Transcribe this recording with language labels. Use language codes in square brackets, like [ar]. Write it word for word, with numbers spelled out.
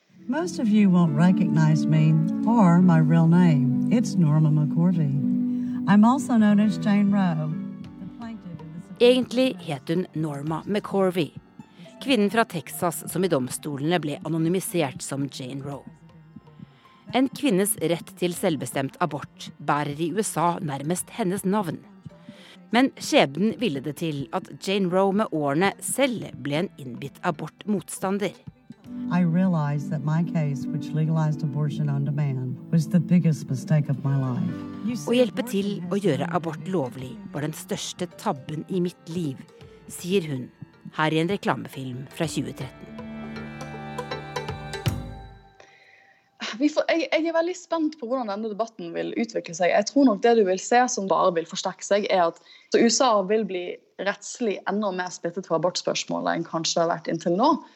[en] Most of you won't recognize me or my real name. It's Norma McCordy. I'm also known as Jane Roe. [no] Egentlig het hun Norma McCorvey, kvinnen fra Texas som i domstolene ble anonymisert som Jane Roe. En kvinnes rett til selvbestemt abort bærer i U S A nærmest hennes navn. Men skjebnen ville det til at Jane Roe med årene selv ble en innbitt abortmotstander. [en] I realized that my case, which legalized abortion on demand, was the biggest mistake of my life. [no] Å hjelpe til å gjøre abort lovlig var den største tabben i mitt liv, sier hun, her i en reklamefilm fra tjue tretten. Vi får, jeg, jeg er veldig spent på hvordan denne debatten vil utvikle seg. Jeg tror nok det du vil se som bare vil forsterke seg, er at så U S A vil bli rettslig enda mer splittet på abortspørsmålet enn kanskje det har vært inntil nå.